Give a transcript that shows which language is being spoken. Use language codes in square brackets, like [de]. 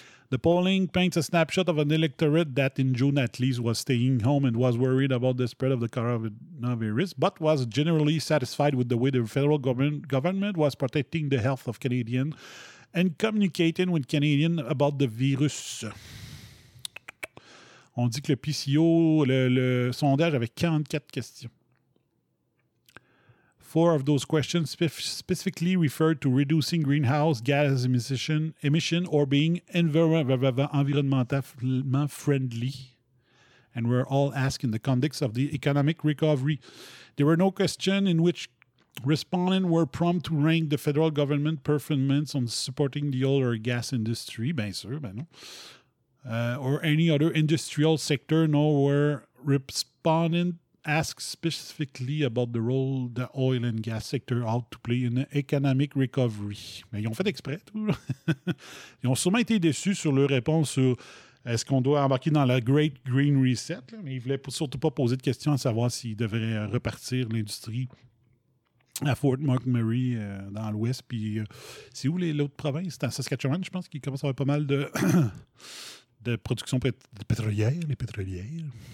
[en] The polling paints a snapshot of an electorate that in June at least was staying home and was worried about the spread of the coronavirus, but was generally satisfied with the way the federal government was protecting the health of Canadians and communicating with Canadians about the virus. [fr] On dit que le PCO, le sondage avait 44 questions. [en] Four of those questions specifically referred to reducing greenhouse gas emission or being environmentally friendly and were all asked in the context of the economic recovery. There were no questions in which respondents were prompt to rank the federal government performance on supporting the oil or gas industry. [fr] Bien sûr, ben non. [en] or any other industrial sector, nor were respondent asked specifically about the role the oil and gas sector ought to play in the economic recovery. [fr] Mais ils ont fait exprès, tout. Ils ont sûrement été déçus sur leur réponse sur est-ce qu'on doit embarquer dans la Great Green Reset, là? Mais ils ne voulaient surtout pas poser de questions à savoir s'ils devraient repartir l'industrie à Fort McMurray dans l'Ouest. Puis c'est où l'autre province? C'est à Saskatchewan, je pense, qu'il commence à avoir pas mal de, de production pétrolière, les pétrolières.